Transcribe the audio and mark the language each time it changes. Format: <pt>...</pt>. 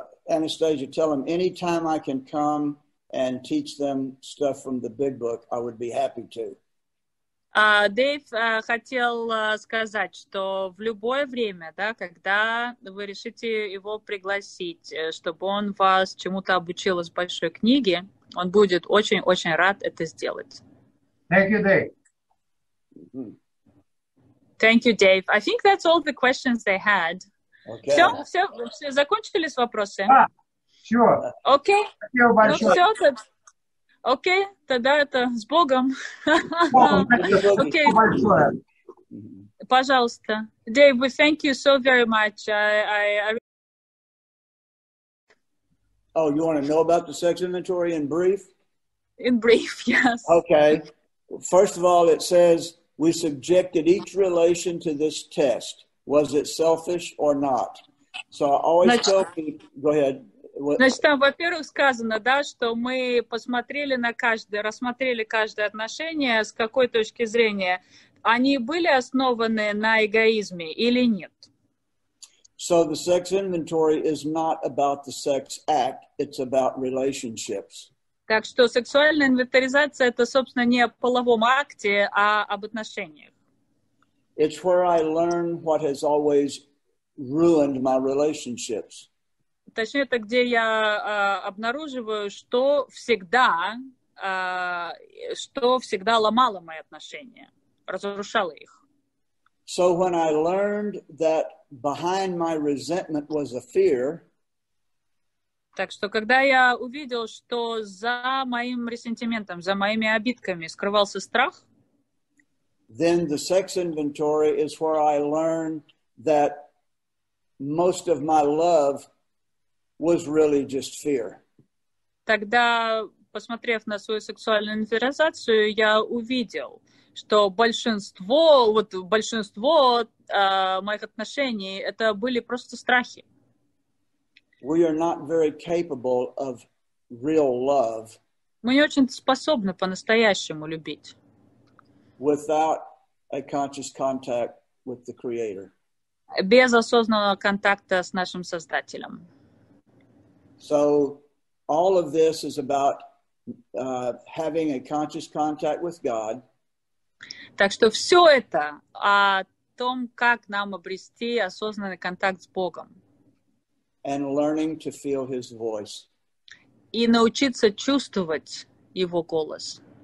<en>Anastasia, tell them anytime I can come and teach them stuff from the big book, I would be happy to.</en> <ru>Дэйв хотел сказать, что в любое время, да, когда вы решите его пригласить, чтобы он вас чему-то обучил из большой книги, он будет очень-очень рад это сделать.</ru> <en>Thank you, Dave. Thank you, Dave. I think that's all the questions they had. Okay.</en> <ru>Все, закончили с вопросами?</ru> <en>Sure. Okay. Thank you very much.</en> <ru>Okay, тогда это с Богом.</ru> <en>Okay. Thank you very much. Пожалуйста. Dave, we thank you so very much. Oh, you want to know about the sex inventory in brief? In brief, yes. Okay. First of all, it says we subjected each relation to this test. Was it selfish or not? So I always tell people, go ahead.</en> <ru>Значит, там, во-первых, сказано, да, что мы посмотрели на каждое, рассмотрели каждое отношение, с какой точки зрения они были основаны на эгоизме или нет.</ru> <en>So the sex inventory is not about the sex act, it's about relationships.</en> <ru>Так что сексуальная инвентаризация – это, собственно, не о половом акте, а об отношениях.</ru> <en>It's where I learn what has always ruined my relationships.</en> <ru>Точнее, это где я обнаруживаю, что всегда ломало мои отношения, разрушало их.</ru> <en>So when I learned that behind my resentment was a fear,</en> <ru>так что, когда я увидел, что за моим ресентиментом, за моими обидками скрывался страх,</ru> <en>then the sex inventory is where I learned that most of my love was really just fear.</en> <ru>Тогда, посмотрев на свою сексуальную инвентаризацию, я увидел, что большинство моих отношений это были просто страхи.</ru> <en>We are not very capable of real love.</en> <ru>Мы не очень способны по-настоящему любить.</ru> <en>Without a conscious contact with the Creator.</en> <ru>Без осознанного контакта с нашим Создателем.</ru> <en>So all of this is about having a conscious contact with God.</en> <ru>Так что все это о том, как нам обрести осознанный контакт с Богом.</ru> <en>And learning to feel his voice.</en> <ru>И научиться чувствовать его голос.</ru>